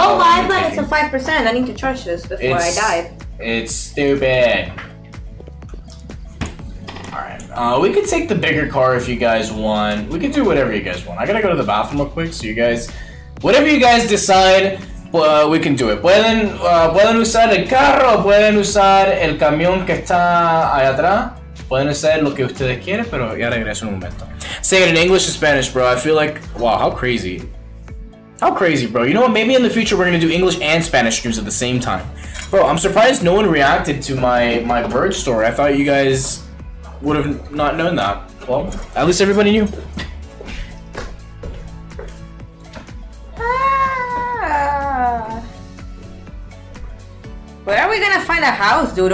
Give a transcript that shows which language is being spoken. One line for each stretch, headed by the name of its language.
English: Oh, my blood is at 5%. I need to charge this before I die. It's stupid. Alright, we could take the bigger car if you guys want. We could do whatever you guys want. I gotta go to the bathroom real quick, so you guys... Whatever you guys decide, we can do it.
Spanish: Pueden usar el carro, pueden usar el camión que está allá atrás. Pueden hacer lo que ustedes quieren, pero ya regreso en un momento.
English: Say it in English and Spanish, bro. I feel like... Wow, how crazy. How crazy, bro. You know what? Maybe in the future we're gonna do English and Spanish streams at the same time. Bro, I'm surprised no one reacted to my bird story. I thought you guys... would have not known that. Well, at least everybody knew. Where are we gonna find a house, dude?